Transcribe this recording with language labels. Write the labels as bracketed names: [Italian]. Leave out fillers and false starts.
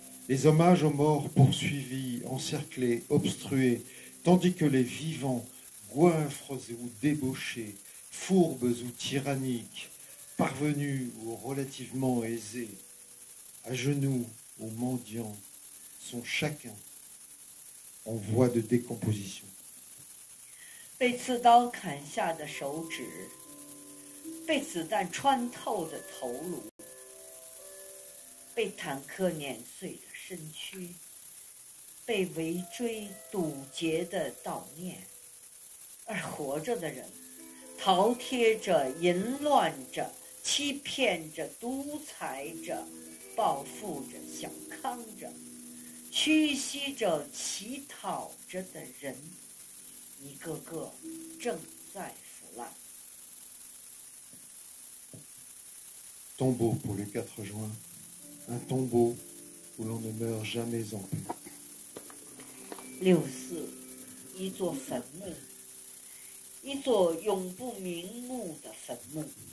[French] Les hommages aux morts poursuivis, encerclés, obstrués, tandis que les vivants, goinfres ou débauchés, fourbes ou tyranniques, parvenus ou relativement aisés, à genoux ou mendiants, sont chacun en voie de décomposition. [Chinese] 被刺刀砍下的手指, 被子弹穿透的头颅, 被坦克碾碎的 身躯被围追堵截的悼念，而活着的人，饕餮着、淫乱着、欺骗着、独裁着、报复着、小康着、屈膝着、乞讨着的人，一个个正在腐烂。 [French] Tombeau pour le 4 juin, un tombeau où l'on ne meurt jamais en paix. [Chinese] 64, 一座坟墓, 一座永不瞑目的坟墓.